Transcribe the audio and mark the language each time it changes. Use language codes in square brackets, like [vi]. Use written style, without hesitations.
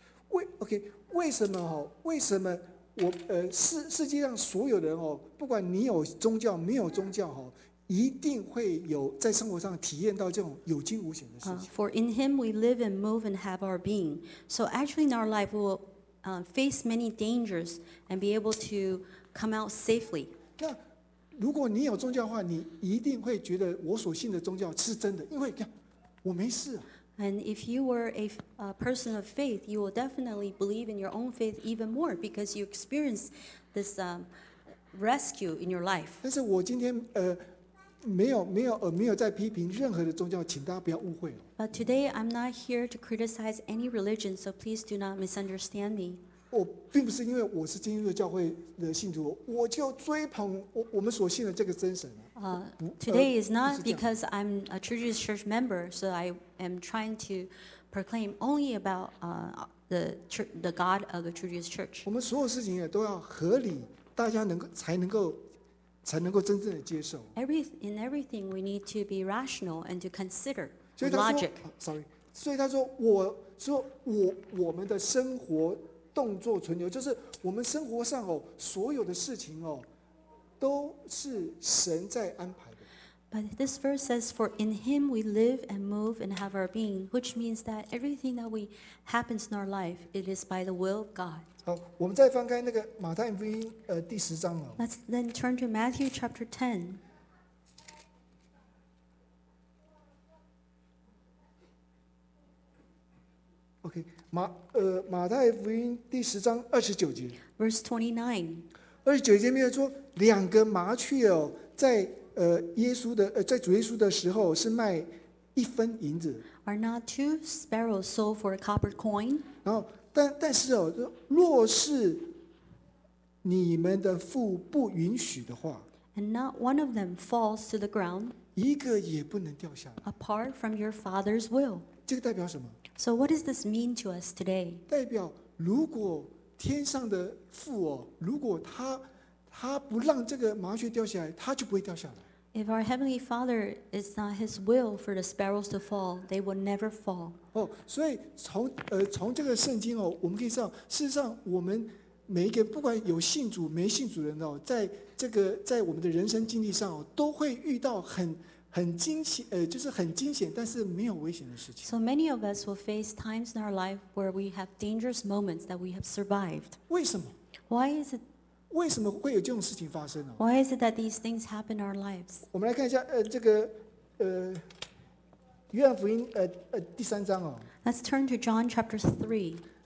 [en] Wait, okay [zh] 为什么我世界上所有人哦，不管你有宗教没有宗教哦，一定会有在生活上体验到这种有惊无险的事情。 [en] For in Him we live and move and have our being, so actually in our life we will face many dangers and be able to come out safely. [zh] 那如果你有宗教的话，你一定会觉得我所信的宗教是真的，因为看我没事、啊。 [en] And if you were a person of faith, you will definitely believe in your own faith even more because you experienced this rescue in your life. [zh] 但是我今天没有在批评任何的宗教，请大家不要误会。 [en] But today I'm not here to criticize any religion, so please do not misunderstand me. [zh] 我并不是因为我是基督教会的信徒，我就追捧我们所信的这个真神。 [en] Today is not because I'm a True Jesus Church member, so I am trying to proclaim only about the God of the True Jesus Church. [zh] 我们所有事情也都要合理，大家才能够真正的接受。 [en] In everything, we need to be rational and to consider logic. Sorry, [zh] 所以他说我们的生活动作存留，就是我们生活上哦所有的事情哦。都是神在安排的。 [en] But this verse says, "For in Him we live and move and have our being," which means that everything that we happens in our life, it is by the will of God. [zh] 好，我们再翻开那个马太福音第十章哦。 [en] Let's then turn to Matthew chapter 10. [zh] 马太福音第十章二十九节。 [en] Verse 29. [zh] 二十九节里面说，两个麻雀哦，在耶稣的在主耶稣的时候是卖一分银子。 [en] Are not two sparrows sold for a copper coin? [zh] 然后，但是哦，若是你们的父不允许的话 [en] ，And not one of them falls to the ground. [zh] 一个也不能掉下来。 [en] Apart from your father's will. [zh] 这个代表什么 [en] ？So what does this mean to us today? [zh] 代表如果。天上的父哦，如果他不让这个麻雀掉下来，他就不会掉下来。 [en] If our heavenly Father is not His will for the sparrows to fall, they will never fall. [zh] 哦，所以从这个圣经哦，我们可以知道，事实上我们每一个不管有信主没信主的人哦，在我们的人生经历上哦，都会遇到很惊险，但是没有危险的事情。 [en] So many of us will face times in our life where we have dangerous moments that we have survived. [zh] 为什么 [en] ？Why is it？ [zh] 为什么会有这种事情发生呢 [en] ？Why is it that these things happen in our lives？ [zh] 我们来看一下，这个约翰福音第三章哦。 [en] Let's turn to John chapter 3.